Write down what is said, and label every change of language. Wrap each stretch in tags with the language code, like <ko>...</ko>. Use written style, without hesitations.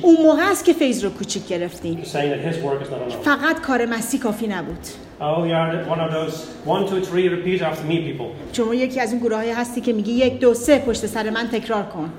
<fa>اون موقع است که فیض رو کوچیک گرفتیم.</fa> <en>Saying that his work is not enough.</en> <fa>فقط کار مسیح کافی نبود.</fa> <en>Oh, you're one of those 1, 2, 3 repeat after me people.</en> <fa>شما یکی از این گروهایی هستی که میگی 1, 2, 3 پشت سر من تکرار کن.</fa>